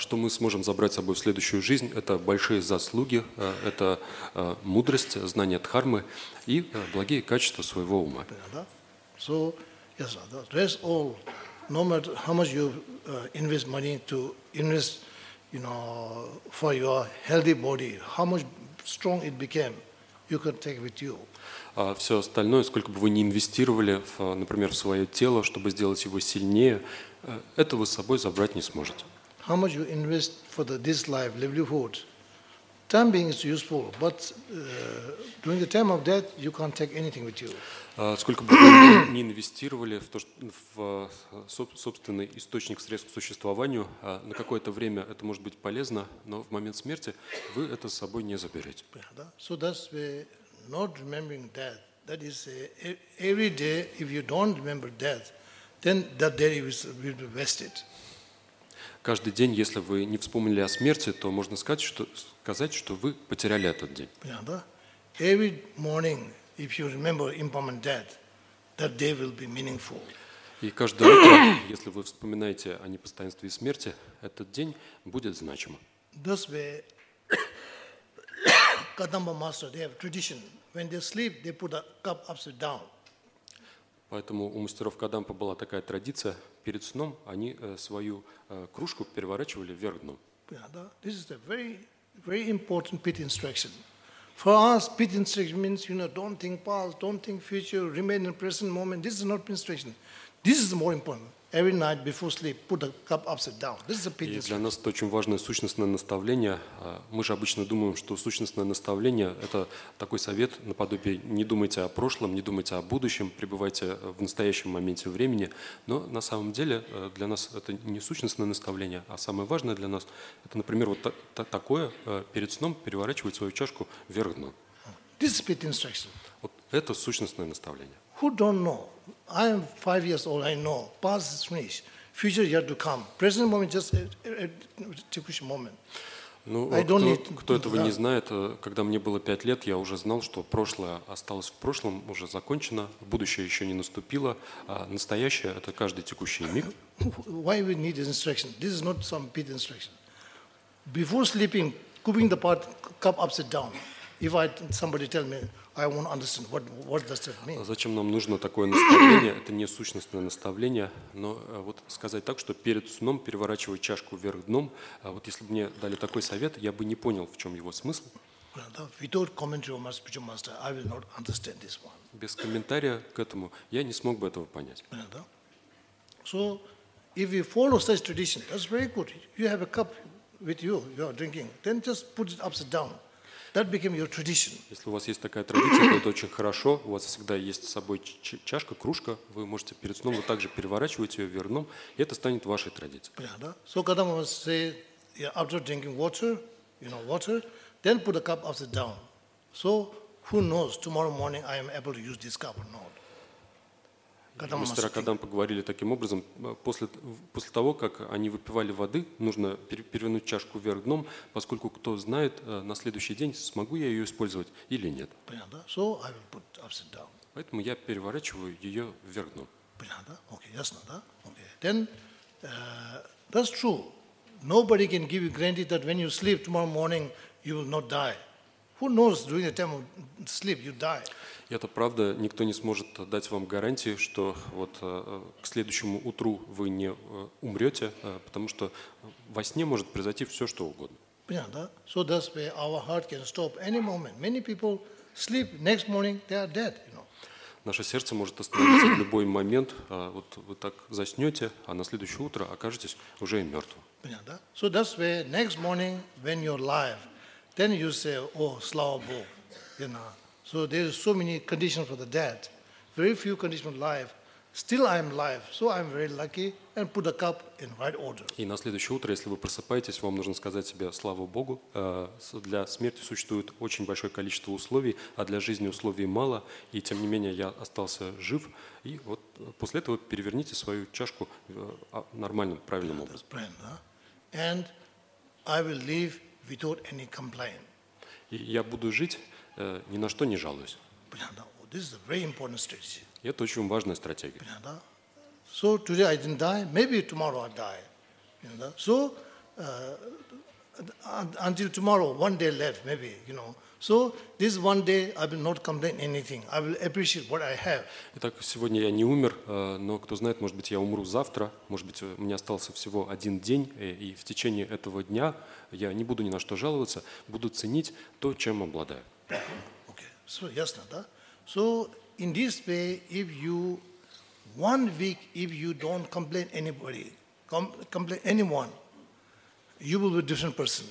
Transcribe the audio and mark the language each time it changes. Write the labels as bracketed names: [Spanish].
[Russian] Что мы сможем забрать с собой в следующую жизнь? Это большие заслуги, это мудрость, знание дхармы и благие качества своего ума. [English] So, yes, that's all. No matter how much you invest money to invest, you know, for your healthy body, how much strong it became, you can take with you. [Russian] Все остальное, сколько бы вы ни инвестировали, в, например, в свое тело, чтобы сделать его сильнее, это вы с собой забрать не сможете. [English] How much you invest for this life, livelihood? Time being is useful, but during the time of death, you can't take anything with you. [Russian] Сколько бы вы ни инвестировали в, то, в собственный источник средств к существованию, на какое-то время это может быть полезно, но в момент смерти вы это с собой не заберете. [English] So that's the not remembering death. That is every day, if you don't remember death, then that day will be wasted. [Russian] Каждый день, если вы не вспомнили о смерти, то можно сказать, что вы потеряли этот день. Yeah, да? [English] Every morning, if you remember impermanent death, that day will be meaningful. [Russian] И каждое утро, если вы вспоминаете о непостоянстве и смерти, этот день будет значим. [English] That's why Kadamba master, they have tradition. When they sleep, they put a cup upside down. [Russian] Поэтому у мастеров Кадампа была такая традиция. Перед сном они свою кружку переворачивали вверх дном. [English] This is a very, very important pit instruction. For us, pit instruction means, you know, don't think past, don't think future, remain in the present moment. This is not pit instruction. This is more important. Every night before sleep, put the cup upside down. This is a pit instruction. [Russian] Для нас это очень важное сущностное наставление. Мы же обычно думаем, что сущностное наставление – это такой совет наподобие «не думайте о прошлом, не думайте о будущем, пребывайте в настоящем моменте времени». Но на самом деле для нас это не сущностное наставление, а самое важное для нас – это, например, вот такое перед сном переворачивать свою чашку вверх дном. [English] This is pit instruction. [Russian] Вот это сущностное наставление. [English] Who don't know? I am 5 years old, I know. Past is finished. Future yet to come. Present moment just a [Russian] текущий момент. Ну, кто этого не знает, когда мне было 5 лет, я уже знал, что прошлое осталось в прошлом, уже закончено, будущее еще не наступило, а настоящее – это каждый текущий миг. [English] Why we need this instruction? This is not some pit instruction. Before sleeping, keeping the pot cup upside down. If I, somebody tell me, I won't understand what does that mean. [Russian] Зачем нам нужно такое наставление? Это не сущностное наставление, но вот сказать так, что перед сном переворачивать чашку вверх дном, вот если бы мне дали такой совет, я бы не понял, в чем его смысл. [English] Without commentary of my spiritual master, I will not understand this one. [Russian] Без комментария к этому я не смог бы этого понять. [English] So, if you follow such tradition, that's very good. You have a cup with you, you are drinking. Then just put it upside down. That became your tradition. [Russian] Если у вас есть такая традиция, то это очень хорошо. У вас всегда есть с собой чашка, кружка. Вы можете перед сном вот так же переворачивать ее вверх дном, и это станет вашей традицией. Yeah, да? [English] So, [Russian] когда мы [English] say, after drinking water, you know, water, then put a cup upside down. So, who knows, tomorrow morning I am able to use this cup or not. [Russian] Мистера Кадам поговорили таким образом. После того, как они выпивали воды, нужно перевернуть чашку вверх дном, поскольку кто знает на следующий день, смогу я ее использовать или нет. [English] So I will put upside down. [Russian] Поэтому я переворачиваю ее вверх дном. Ясно, да? [English] Then, that's true. Nobody can give you guarantee that when you sleep tomorrow morning, you will not die. Who knows during the time of sleep you die? [Russian] Это правда, никто не сможет дать вам гарантии, что вот к следующему утру вы не умрете, потому что во сне может произойти все, что угодно. Понятно, да? [English] So that's where our heart can stop any moment. Many people sleep, next morning they are dead, you know. [Russian] Наше сердце может остановиться в любой момент. Вот вы так заснете, а на следующее утро окажетесь уже и мертвым. Понятно, да? [English] So that's where next morning, when you're alive, then you say, oh, [Russian] слава Богу, [English] you know. So there are so many conditions for the dead, very few conditions for life. Still I am alive, so I am very lucky and put the cup in right order. [Russian] И на следующее утро, если вы просыпаетесь, вам нужно сказать себе слава Богу. Для смерти существует очень большое количество условий, а для жизни условий мало. И тем не менее я остался жив. И вот после этого переверните свою чашку нормальным, правильным образом. Правильно, да? [English] And I will live without any complaint. [Russian] И я буду жить. Ни на что не жалуюсь. Понятно. [English] This is a very important strategy. [Russian] И это очень важная стратегия. Понятно. [English] So today I didn't die. Maybe tomorrow I die. You know. So until tomorrow, one day left, maybe. You know. So this one day I will not complain anything. I will appreciate what I have. [Russian] Итак, сегодня я не умер, но кто знает, может быть, я умру завтра. Может быть, у меня остался всего один день, и в течение этого дня я не буду ни на что жаловаться, буду ценить то, чем обладаю. [English] Okay, so [Russian] ясно, да? [English] So in this way, if you one week, if you don't complain anybody, complain anyone, you will be a different person.